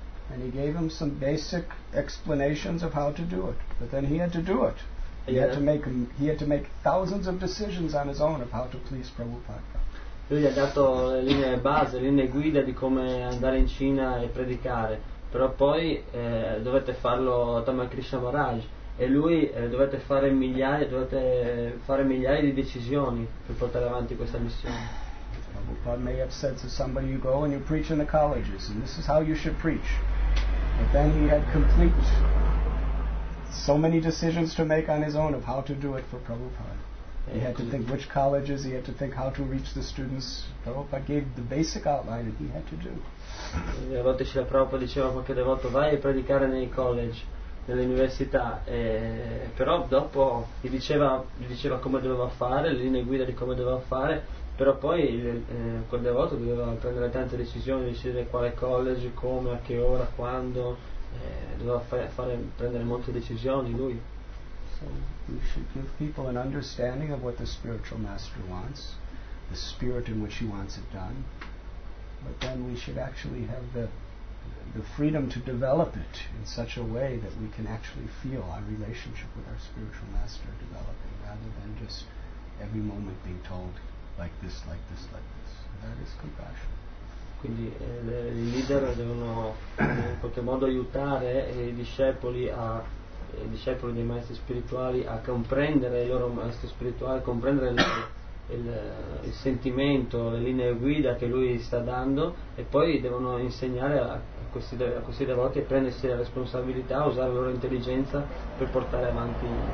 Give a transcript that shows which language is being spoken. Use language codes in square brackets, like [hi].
[en] And he gave him some basic explanations of how to do it, but then he had to do it. He had to make thousands of decisions on his own of how to please Prabhupada. [it] Lui gli ha dato le linee base, le linee guida di come andare in Cina e predicare, però poi dovete farlo Tama Krishna Maharaj e lui dovete fare migliaia di decisioni per portare avanti questa missione. [en] Prabhupada may have said to somebody, you go and you preach in the colleges and this is how you should preach, but then he had complete so many decisions to make on his own of how to do it for Prabhupada. He had to think which colleges, he had to think how to reach the students. Prabhupada gave the basic outline that he had to do. [it] A volte Srila Prabhupada diceva a qualche devoto, vai a predicare nei college, nelle università, però dopo gli diceva come doveva fare, le linee guida di come doveva fare, però poi quel devoto doveva prendere tante decisioni, decidere quale college, come, a che ora, quando, doveva prendere molte decisioni lui. [en] So you should give people an understanding of what the spiritual master wants, the spirit in which he wants it done, but then we should actually have the freedom to develop it in such a way that we can actually feel our relationship with our spiritual master developing, rather than just every moment being told like this, like this, like this. That is compassion. [it] Quindi i leader devono in qualche modo aiutare i discepoli i discepoli dei maestri spirituali a comprendere il loro maestro spirituale, comprendere il sentimento, le linee guida che lui sta dando, e poi devono insegnare a questi devoti a prendersi la responsabilità, a usare la loro intelligenza per portare avanti